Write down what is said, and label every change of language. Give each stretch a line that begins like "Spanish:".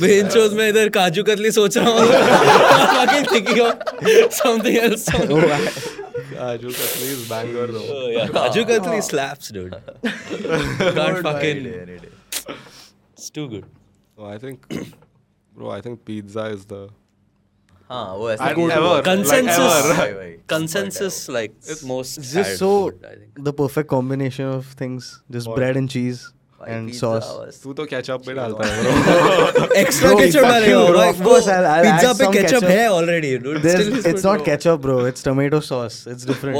Hindi: Main shows mein idhar kaju katli soch raha hu.
English: Fucking thinking of something else. Kaju katli is banger though. Kaju katli slaps dude. God fucking. It's too good. Oh, I think bro, I think pizza is the
Hindi: हाँ वो ऐसे
English: consensus like it's most just so the perfect combination of things just bread and cheese and pizza sauce
Hindi: tu to ketchup pe dalta hai
English: bro extra ketchup wale bro pizza pe ketchup hai already dude it's not ketchup bro it's tomato sauce it's different